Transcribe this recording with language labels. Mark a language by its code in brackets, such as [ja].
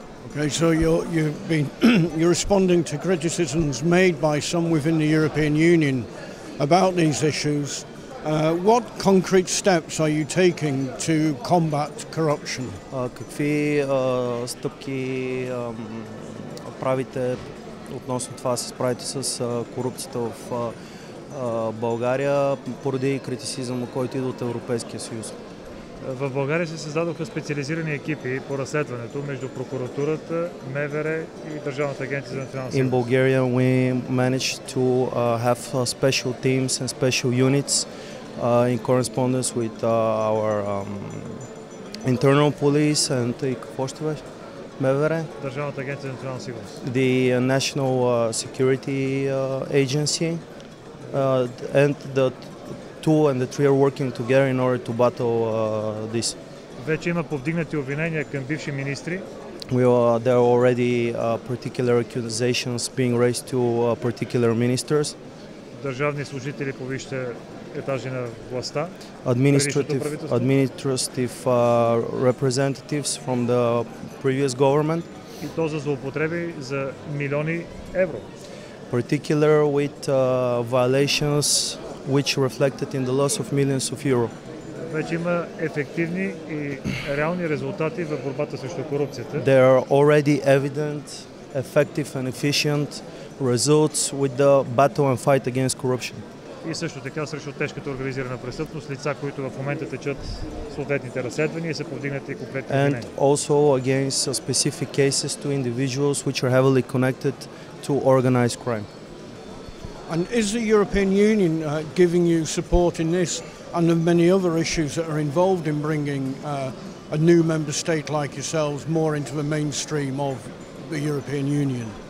[en] Okay, so you're responding to criticisms made by some within the European Union about these issues. What concrete steps are you taking to combat corruption? [bg] Какви стъпки правите относно това да се справите с корупцията в България поради критицизма, който идва от Европейския съюз? В България се създадоха специализирани екипи по разследването между прокуратурата, МВР и Държавната агенция за национална сигурност. [en] In Bulgaria we managed to have special teams and special units in correspondence with our internal police and МВР, [bg] Държавната агенция за национална сигурност. [en] The National Security Agency and the two and the three are working together in order to battle this. [bg] Вече има повдигнати обвинения към бивши министри. [en] There are already particular accusations being raised to particular ministers. [bg] Държавни служители по висшите етажи на властта. [en] Administrative representatives from the previous government. [bg] И то за злоупотреби за милиони евро. [en] Particular with violations which reflected in the loss of millions of euro. [bg] Вече има ефективни и реални резултати в борбата срещу корупцията. [en] There are already evident, effective and efficient results with the battle and fight against corruption. [bg] И също така срещу тежката организирана престъпност, лица, които в момента течат съответните разследвания и са повдигнати конкретни обвинения. [en] And also against specific cases to individuals which are heavily connected to organized crime. And is the European Union giving you support in this and the many other issues that are involved in bringing a new member state like yourselves more into the mainstream of the European Union?